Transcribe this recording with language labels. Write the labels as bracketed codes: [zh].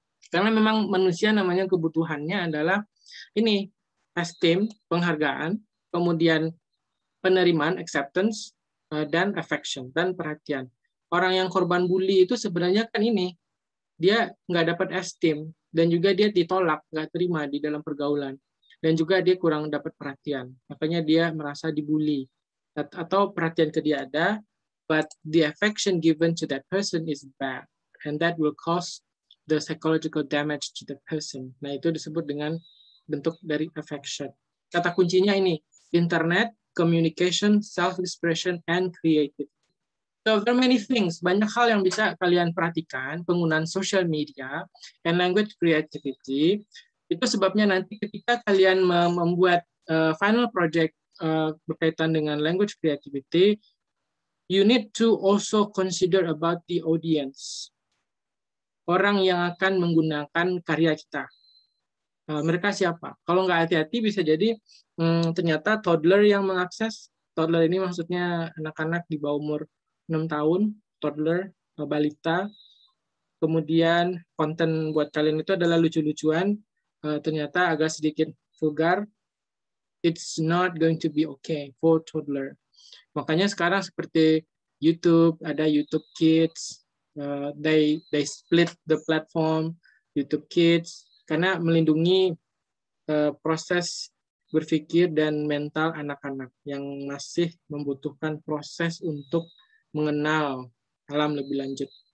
[id] Karena memang manusia namanya kebutuhannya adalah ini, esteem, penghargaan, kemudian penerimaan, acceptance, dan affection, dan perhatian. Orang yang korban bully itu sebenarnya kan ini, dia nggak dapat esteem, dan juga dia ditolak, nggak terima di dalam pergaulan. Dan juga dia kurang dapat perhatian. Makanya dia merasa dibully. Atau perhatian ke dia ada, [en] but the affection given to that person is bad. And that will cause the psychological damage to the person. [id] Nah, itu disebut dengan bentuk dari affection. Kata kuncinya ini, internet, communication, self-expression, and creativity. [en] So, there are many things. [id] Banyak hal yang bisa kalian perhatikan, penggunaan social media, and language creativity. Itu sebabnya nanti ketika kalian membuat [en] final project [id] berkaitan dengan [en] language creativity, you need to also consider about the audience. [id] Orang yang akan menggunakan karya kita. Mereka siapa? Kalau nggak hati-hati bisa jadi ternyata toddler yang mengakses. Toddler ini maksudnya anak-anak di bawah umur 6 tahun, toddler, balita. Kemudian konten buat kalian itu adalah lucu-lucuan, ternyata agak sedikit vulgar. [en] It's not going to be okay for toddler. [id] Makanya sekarang seperti YouTube, ada YouTube Kids, [en] they split the platform, [id] YouTube Kids, karena melindungi proses berpikir dan mental anak-anak yang masih membutuhkan proses untuk mengenal alam lebih lanjut.